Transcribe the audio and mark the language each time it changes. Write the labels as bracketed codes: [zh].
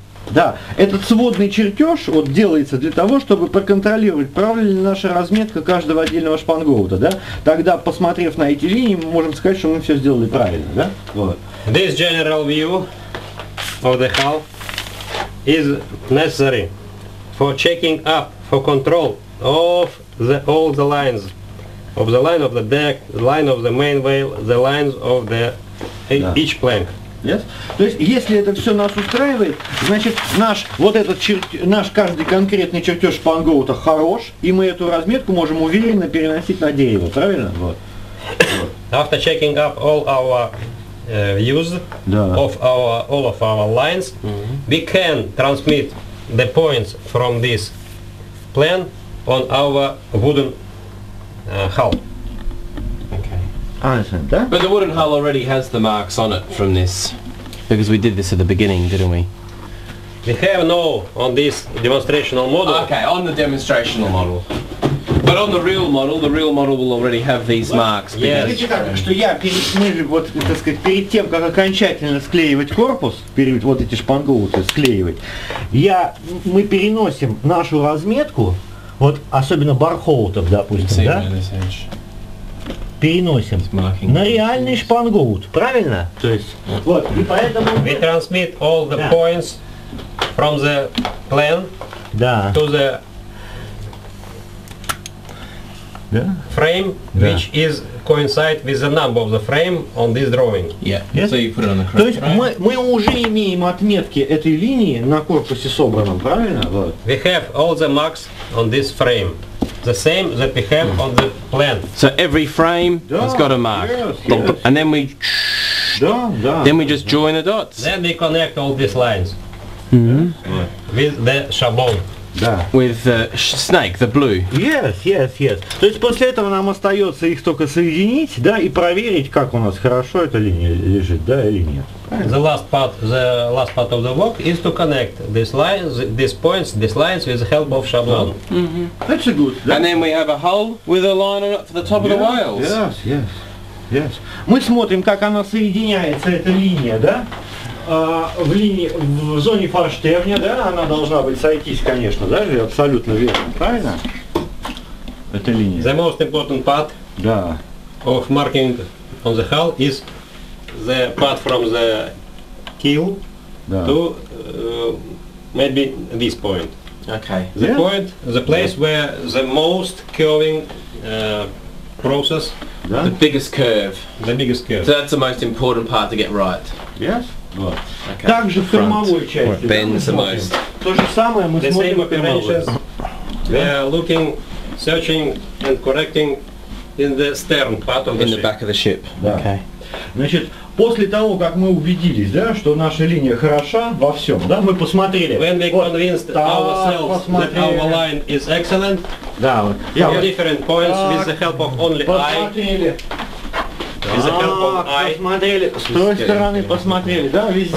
[ru] Да, этот сводный чертеж вот делается для того, чтобы проконтролировать, правильно ли наша разметка каждого отдельного шпангоута, да? Тогда, посмотрев на эти линии, мы можем сказать, что мы все сделали правильно, да? Вот. [en] This general view of the hull is necessary for checking up, for control of all the lines, of the line of the deck, the line of the main whale, the lines of the each plank. Yes? [ru] То есть, если это все нас устраивает, значит, наш вот этот наш каждый конкретный чертеж шпангоута хорош, и мы эту разметку можем уверенно переносить на дерево, правильно? Вот. [en] After checking up all our views of our all of our lines, we can transmit the points from this plan on our wooden hull. Understand, but the wooden hull already has the marks on it from this, because we did this at the beginning, didn't we? We have no on this demonstrational model. Okay, on the demonstrational model. But on the real model will already have these marks. [ru] Перед тем, как окончательно склеивать корпус, перед вот эти шпангоуты склеивать, мы переносим нашу разметку, вот особенно бархоутов, допустим, да? Переносим на реальный шпангоут, правильно? То есть, вот, и поэтому... [en] We transmit all the points from the plan to the frame, which is coincide with the number of the frame on this drawing. Yeah. So you put it on the [ru] То есть мы уже имеем отметки этой линии на корпусе собранном, правильно? [en] We have all the marks on this frame. The same that we have on the plan. So every frame has got a mark. Yes. And then we then we just join the dots. Then we connect all these lines. With the шаблон. [ru] Да. [en] With the snake, the blue. Yes. [ru] То есть после этого нам остается их только соединить, да, и проверить, как у нас хорошо эта линия лежит, да, или нет. [en] The last part of the work is to connect these lines, these points, these lines with the help of шаблон. Mm-hmm. That's a good. And then we have a hull with a line on it for the top of the whales. Yes. [ru] Мы смотрим, как она соединяется, эта линия, да? В линии в зоне форштевня, да, она должна быть сойтись, конечно, да, абсолютно верно, правильно? Эта линия. [en] The most important part of marking on the hull is the part from the keel to maybe this point. Okay. The point, the place where the most curving process, the biggest curve. The biggest curve. So that's the most important part to get right. [ru] Yes. Вот. Okay. Также в кормовой части. Да, то же самое мы смотрим кормовой. [en] We are looking, searching and correcting in the stern part of the back of the ship. [ru] Да. Okay. Значит, после того, как мы убедились, да, что наша линия хороша во всем, да, мы посмотрели. [en] When we convinced ourselves that our line is excellent, [ru] да, [en] yeah, вот, different points with the help of only [ru] посмотрели. [en] With the help of eye. [ru] Посмотрели. С той стороны посмотрели, да, везде.